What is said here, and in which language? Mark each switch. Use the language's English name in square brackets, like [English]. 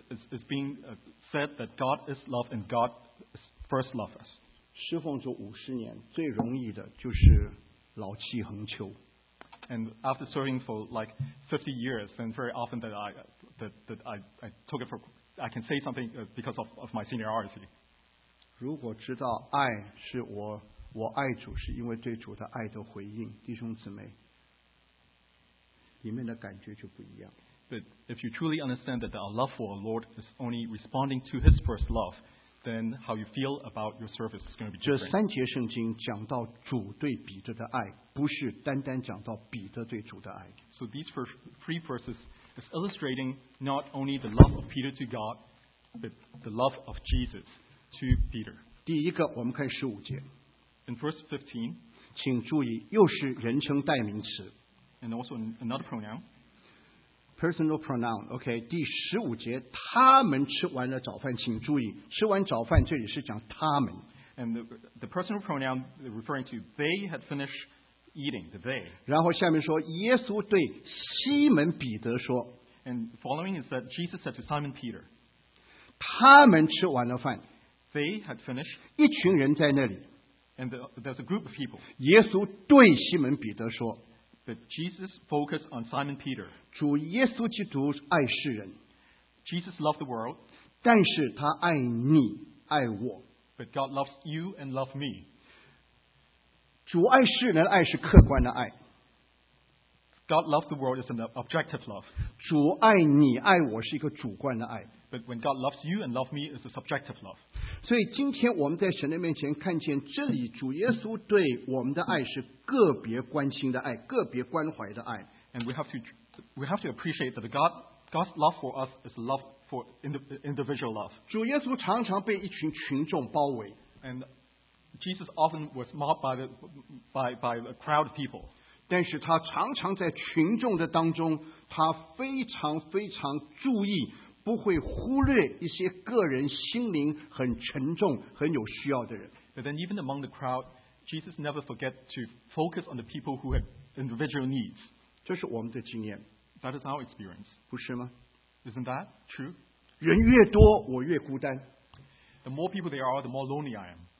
[English] It's being said that God is love and God first loved us. [Chinese] 侍奉主五十年，最容易的就是老气横秋 [English] And after serving for like 50 years, then very often that I took it for I can say something because of my seniority. [Chinese] 如果知道爱是我爱主是因为对主的爱的回应，弟兄姊妹。里面的感觉就不一样。 [English] But if you truly understand that our love for our Lord is only responding to His first love, then how you feel about your service is going to be different. [Chinese] 这三节圣经讲到主对彼得的爱，不是单单讲到彼得对主的爱。 [English] So these first three verses is illustrating not only the love of Peter to God, but the love of Jesus to Peter. [Chinese] 第一个，我们看十五节。 [English] In verse 15, [Chinese] 请注意，又是人称代名词。 [English] And also another pronoun. Personal pronoun. Okay. [Chinese] 第十五节，他们吃完了早饭，请注意，吃完早饭这里是讲他们。 [English] And the personal pronoun referring to they had finished eating. The they. [Chinese] 然后下面说，耶稣对西门彼得说。 [English] And following is that Jesus said to Simon Peter. [Chinese] 他们吃完了饭。 [English] They had finished. [Chinese] 一群人在那里。 [English] And there's a group of people. [Chinese] 耶稣对西门彼得说。 [English] But Jesus focused on Simon Peter. [Chinese] 主耶稣基督爱世人。 [English] Jesus loved the world. [Chinese] 但是他爱你，爱我。 [English] But God loves you and loves me. [Chinese] 主爱世人的爱是客观的爱。 [English] God loved the world is an objective love. [Chinese] 主爱你，爱我是一个主观的爱。 [English] But when God loves you and loves me is a subjective love. [Chinese] 所以今天我们在神的面前看见这里主耶稣对我们的爱是个别关心的爱，个别关怀的爱。 [English] And we have to appreciate that God's love for us is love for individual love. [Chinese] 主耶稣常常被一群群众包围。 [English] And Jesus often was mobbed by a crowd of people. [Chinese] 但是他常常在群众的当中，他非常非常注意。不会忽略一些个人心灵很沉重、很有需要的人。 [English] But then even among the crowd, Jesus never forget to focus on the people who have individual needs. [Chinese] 这是我们的经验。 [English] That is our experience. [Chinese] 不是吗？ [English] Isn't that true? [Chinese] 人越多，我越孤单。 [English] The more people there are, the more lonely I am.